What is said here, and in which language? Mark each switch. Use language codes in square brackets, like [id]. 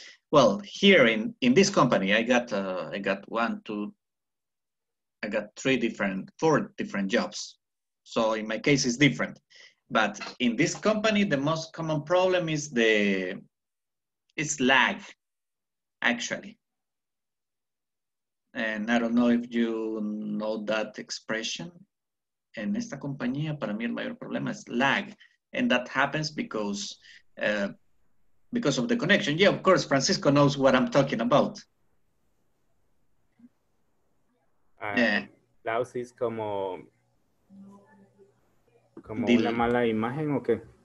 [en] Well, here in this company, I got four different jobs. So in my case, it's different. But in this company, the most common problem is it's lag, actually. And I don't know if you know that expression. [es] En esta compañía, para mí el mayor problema es lag. [en] And that happens because of the connection. Yeah, of course, Francisco knows what I'm talking about. [es] ¿Laus es como una mala imagen o qué?